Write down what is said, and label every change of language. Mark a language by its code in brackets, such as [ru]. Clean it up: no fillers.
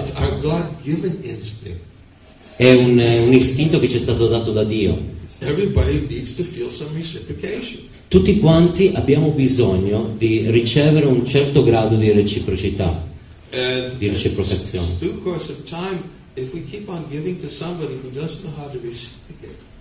[en] It's our God-given instinct. [it] È un istinto che ci è stato dato da Dio. [en] Everybody needs to feel some reciprocation. [it] Tutti quanti abbiamo bisogno di ricevere un certo grado di reciprocità, di reciprocazione. In due corsi di tempo, se continuiamo a dare a qualcuno che non sa come reciprocare,